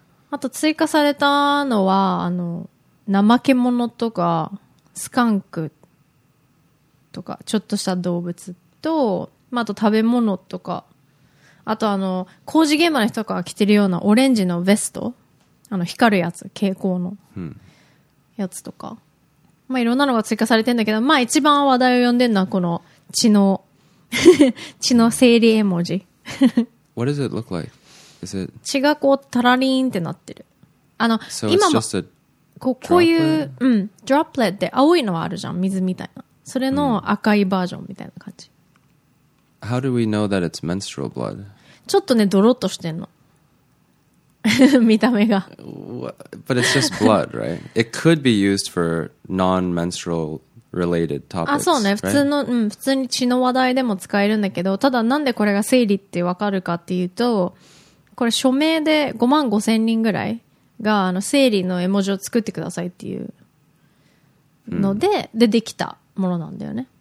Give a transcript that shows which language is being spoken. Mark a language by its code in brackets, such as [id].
[ja] あと追加されたのはあの怠け者とかスカンクとかちょっとした動物と、まあ、あと食べ物とかあとあの工事現場の人が着てるようなオレンジのベストあの光るやつ蛍光のやつとか、まあ、いろんなのが追加されてるんだけど、まあ、一番話題を呼んでるのはこの血の血の生理絵文字 [en] What does it look like? Is it? [ja] 血がこうタラリーンってなってる。あの、 [en] so、 [ja] 今も [en] just a [ja] こういう、うん、ドロップレットって青いのはあるじゃん、水みたいな。それの赤いバージョンみたいな感じ。 [en] How do we know that it's menstrual blood? [ja] ちょっとね、ドロッとしてんの。見た目が。 [en] But it's just blood, right? It could be used for non-menstrual related topics. [ja] あ、そうね。普通の、 [en] right? [ja] うん、普通に血の話題でも使えるんだけど、ただなんでこれが生理ってわかるかっていうと、これ署名で5万5000人ぐらいがあの生理の絵文字を作ってくださいっていうので、mm. でできたものなんだよね。